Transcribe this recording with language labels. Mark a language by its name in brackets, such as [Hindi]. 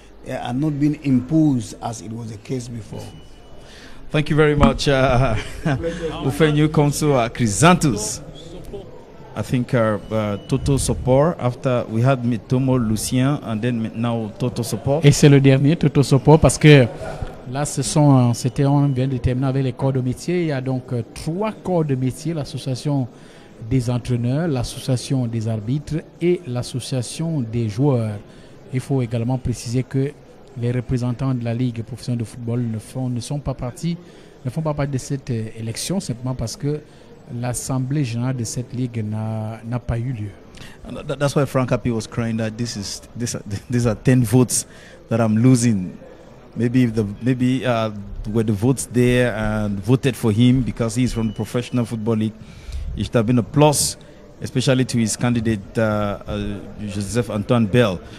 [English] They are not being imposed as it was the case before. Thank you very much, Ufenyu Council Chrysanthus. I think Toto Support, after we had Mitomo Lucien, and then now Toto Support. [French] Et c'est le dernier, Toto Support, parce que là, on vient de terminer avec les corps de métier. Il y a donc trois corps de métier, l'association des entraîneurs, l'association des arbitres et l'association des joueurs. Il faut également préciser que les représentants de la Ligue professionnelle de football ne font pas partie de cette élection, simplement parce que l'Assemblée générale de cette Ligue n'a pas eu lieu. [English] That's why Frank Happy was crying that these are 10 votes that I'm losing. Maybe were the votes there and voted for him because he's from the professional football league, it should have been a plus, especially to his candidate Joseph Antoine Bell.